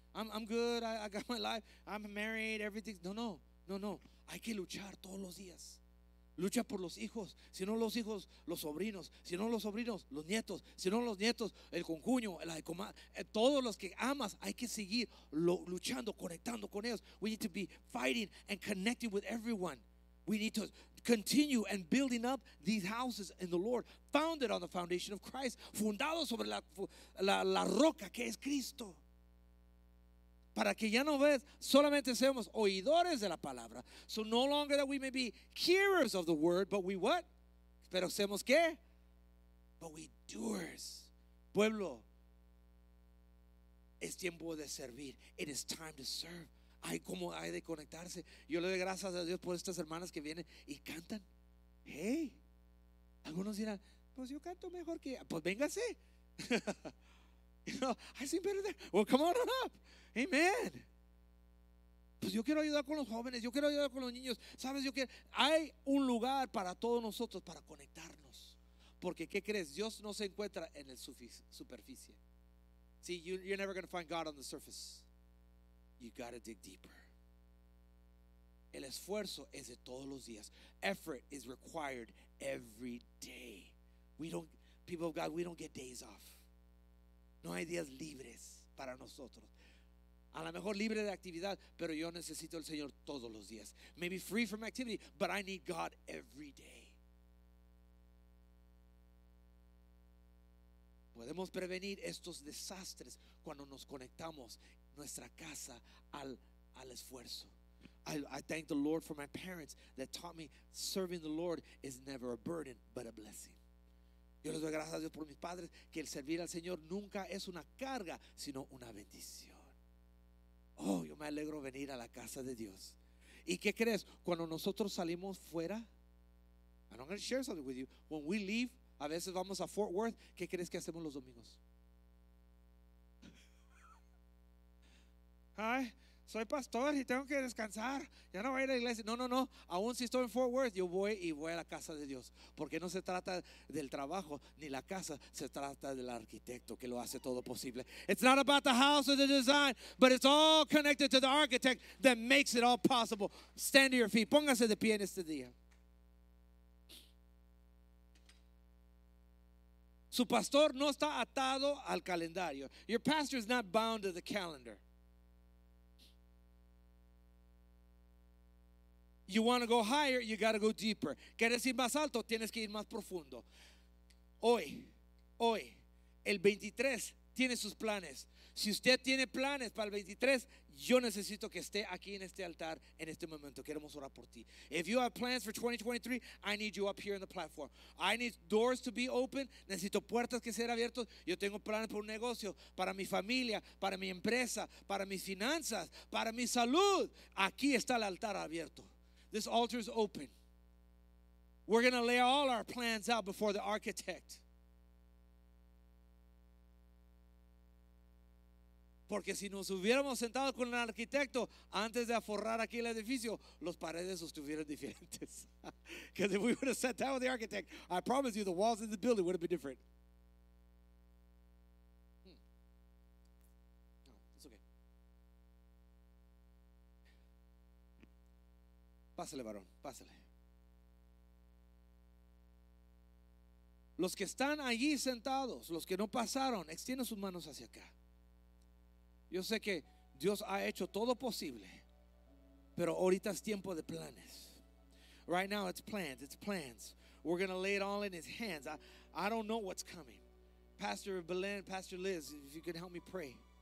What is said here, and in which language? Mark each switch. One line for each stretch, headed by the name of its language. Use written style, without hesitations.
English: I'm good, I got my life, I'm married, everything. No.
Spanish: Hay que luchar todos los días. Lucha por los hijos. Si no los hijos, los sobrinos. Si no los sobrinos, los nietos. Si no los nietos, el concuño, el comadre. Todos los que amas, hay que seguir luchando, conectando con ellos.
English: We need to be fighting and connecting with everyone. We need to continue and building up these houses in the Lord, founded on the foundation of Christ,
Spanish: fundado sobre la roca que es Cristo. Para que ya no ves, solamente seamos oidores de la palabra.
English: So no longer that we may be hearers of the word, but we what?
Spanish: Pero seamos qué?
English: But we doers.
Spanish: Pueblo, es tiempo de servir.
English: It is time to serve.
Spanish: Ay, cómo hay de conectarse. Yo le doy gracias a Dios por estas hermanas que vienen y cantan. Hey, algunos dirán, pues yo canto mejor que, pues véngase.
English: I sing better than, well, come on up. Amen.
Spanish: Pues yo quiero ayudar con los jóvenes, yo quiero ayudar con los niños. Sabes, yo quiero. Hay un lugar para todos nosotros para conectarnos. Porque ¿qué crees? Dios no se encuentra en la superficie.
English: See, you're never going to find God on the surface. You got to dig deeper.
Spanish: El esfuerzo es de todos los días.
English: Effort is required every day. We don't, people of God, we don't get days off.
Spanish: No hay días libres para nosotros. A lo mejor libre de actividad, pero yo necesito al Señor todos los días.
English: Maybe free from activity, but I need God every day.
Spanish: Podemos prevenir estos desastres cuando nos conectamos nuestra casa al esfuerzo.
English: I thank the Lord for my parents that taught me serving the Lord is never a burden, but a blessing.
Spanish: Yo les doy gracias a Dios por mis padres que el servir al Señor nunca es una carga, sino una bendición. Oh, yo me alegro venir a la casa de Dios. ¿Y qué crees? Cuando nosotros salimos fuera,
English: and I'm going to share something with you. When we leave,
Spanish: a veces vamos a Fort Worth. ¿Qué crees que hacemos los domingos? Ay, soy pastor y tengo que descansar. Ya no voy a ir a la iglesia. No. Aún si estoy en Fort Worth, yo voy y voy a la casa de Dios. Porque no se trata del trabajo ni la casa. Se trata del arquitecto que lo hace todo posible.
English: It's not about the house or the design, but it's all connected to the architect that makes it all possible. Stand to your feet.
Spanish: Póngase de pie en este día. Su pastor no está atado al calendario.
English: Your pastor is not bound to the calendar. You want to go higher, you got to go deeper.
Spanish: Quieres ir más alto, tienes que ir más profundo. Hoy, el 23 tiene sus planes. Si usted tiene planes para el 23, yo necesito que esté aquí en este altar en este momento. Queremos orar por ti.
English: If you have plans for 2023, I need you up here on the platform. I need doors to be open.
Spanish: Necesito puertas que sean abiertas. Yo tengo planes para un negocio, para mi familia, para mi empresa, para mis finanzas, para mi salud. Aquí está el altar abierto.
English: This altar is open. We're going to lay all our plans out before the architect.
Spanish: Porque si nos hubiéramos sentado con el arquitecto antes de aforrar aquí el edificio, los paredes estuvieran diferentes.
English: Because if we would have sat down with the architect, I promise you the walls in the building would have been different.
Spanish: Pásale, varón, pásale. Los que están allí sentados, los que no pasaron, extienden sus manos hacia acá. Yo sé que Dios ha hecho todo posible, pero ahorita es tiempo de planes.
English: Right now it's plans. We're going to lay it all in his hands. I don't know what's coming. Pastor Belen, Pastor Liz, if you could help me pray.